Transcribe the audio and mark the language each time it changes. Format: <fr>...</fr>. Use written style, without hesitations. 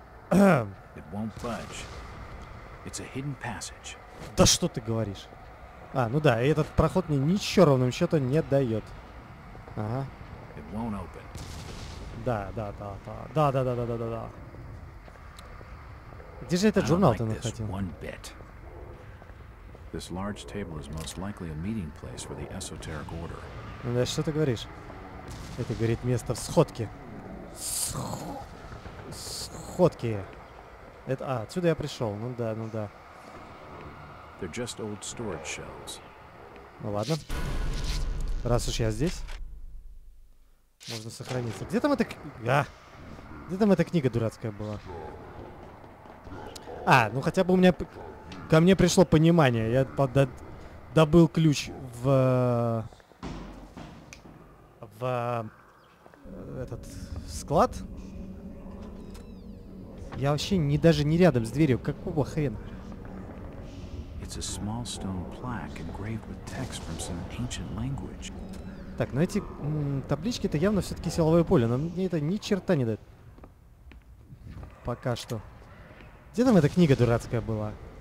<en>It won't budge. It's a hidden passage.</en> <ru>Да что ты говоришь? А, ну да, и этот проход мне ничего ровным счетом не дает. Ага. It won't open. Да. Где же этот журнал-то находил?</ru> <en>This large table is most likely a meeting place for the esoteric order.</en> <ru>Ну да, что ты говоришь? Это говорит место в сходке. Сходки. Это, а, отсюда я пришел. Ну да.</ru> <en>They're just old storage shelves.</en> <ru>Ну ладно. Раз уж я здесь, можно сохраниться. Где там эта книга? Где там эта книга дурацкая была? А, ну хотя бы у меня ко мне пришло понимание. Я добыл ключ в этот склад. Я вообще не рядом с дверью. Какого хрена?</ru> <en>It's a small stone plaque engraved with text from some ancient language.</en> <ru>Так, ну эти таблички это явно все-таки силовое поле, но мне это ни черта не дает. Пока что. Где там эта книга дурацкая была?</ru>